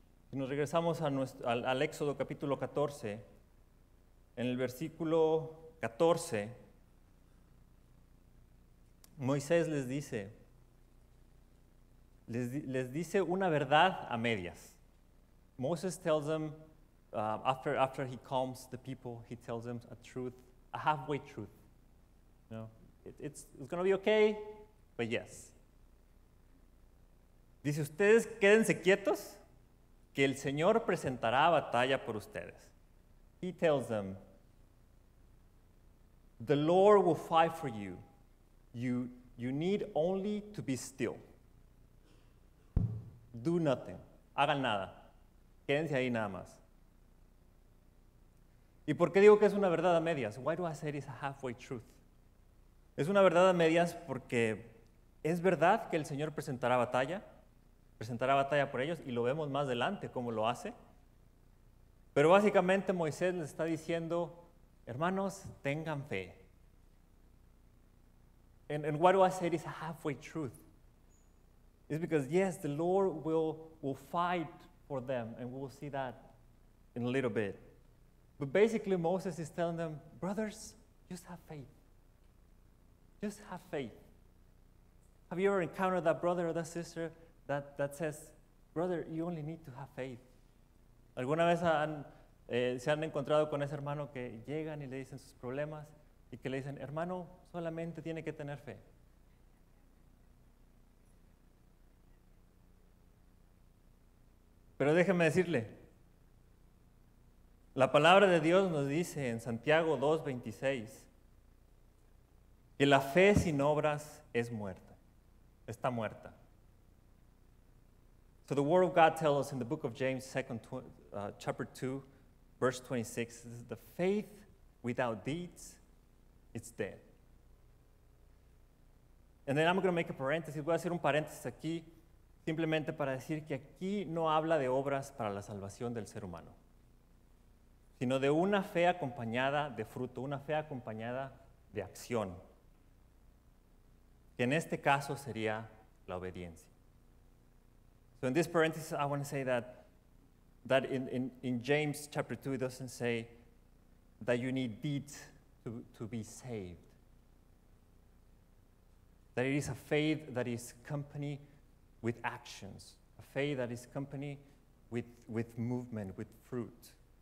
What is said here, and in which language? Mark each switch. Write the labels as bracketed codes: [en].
[es] Si nos regresamos al Éxodo capítulo 14, en el versículo 14, Moisés les dice una verdad a medias. [en] Moses tells them, after he calms the people, he tells them a truth, a halfway truth. You know, it's going to be okay, but yes. [es] Dice, ustedes quédense quietos, que el Señor presentará batalla por ustedes. [en] He tells them, the Lord will fight for you. You need only to be still. Do nothing. [es] Hagan nada. Quédense ahí nada más. ¿Y por qué digo que es una verdad a medias? [en] Why do I say it's a halfway truth? [es] Es una verdad a medias porque es verdad que el Señor presentará batalla. Presentará batalla por ellos y lo vemos más adelante cómo lo hace. Pero básicamente Moisés les está diciendo, hermanos, tengan fe. [en] And what do I say is a halfway truth? It's because, yes, the Lord will fight for them, and we'll see that in a little bit. But basically, Moses is telling them, brothers, just have faith. Just have faith. Have you ever encountered that brother or that sister that says, brother, you only need to have faith? [es] ¿Alguna vez se han encontrado con ese hermano que llegan y le dicen sus problemas? Y que le dicen, hermano, solamente tiene que tener fe. Pero déjeme decirle, la palabra de Dios nos dice en Santiago 2:26 que la fe sin obras es muerta, está muerta. [en] So the word of God tells us in the book of James, chapter 2, verse 26, the faith without deeds, it's dead. And then I'm going to make a parenthesis. [es] Voy a hacer un paréntesis aquí simplemente para decir que aquí no habla de obras para la salvación del ser humano, sino de una fe acompañada de fruto, una fe acompañada de acción, que en este caso sería la obediencia. [en] So in this parenthesis, I want to say that in James chapter 2, it doesn't say that you need deeds to be saved. That it is a faith that is accompanied with actions, a faith that is accompanied with movement, with fruit.